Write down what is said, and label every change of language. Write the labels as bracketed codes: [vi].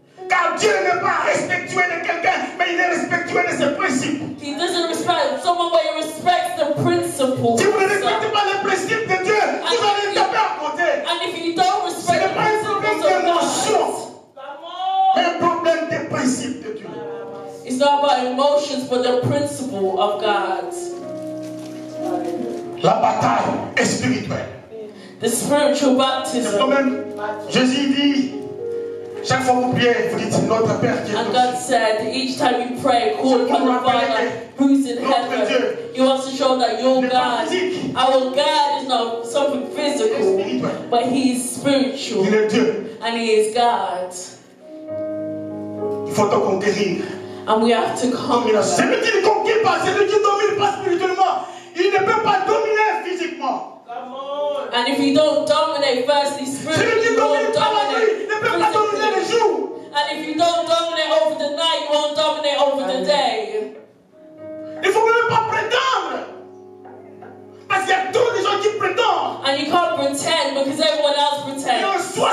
[fr] Car Dieu n'est pas respectueux de quelqu'un, mais il est respectueux de ses principes. [en] He doesn't respect someone, but he respects the principle. [fr] Si vous ne respectez pas les principes de Dieu, [en] and [fr] vous allez taper à côté. [en] And if you don't respect the principles of God, [fr] c'est pas un problème d'émotions, mais un problème des principes de Dieu. [en] It's not about emotions, but the principle of God. [fr] La bataille est spirituelle. [en] The spiritual baptism. [fr] Quand même, Jésus dit. Chaque fois vous priez, vous dites notre Père qui est [en] and God [fr] aussi. [en] Said, each time you pray, call upon the Father who's in heaven. [fr] Dieu. [en] He wants to show that your [fr] mais [en] God, our God is not something physical, but he is spiritual. [fr] Il est Dieu. [en] And he is God. [fr] Il faut te conquérir. [en] And we have to conquer. [fr] Celui qui ne conquiert pas, celui qui ne domine pas spirituellement, il ne peut pas dominer physiquement. [en] And if you don't dominate firstly spiritually, you won't dominate. And if you don't dominate over the night, you won't dominate over the day. [fr] Il faut même pas prétendre, parce qu'il y a trop de gens qui prétendent. [en] And you can't pretend because everyone else pretends.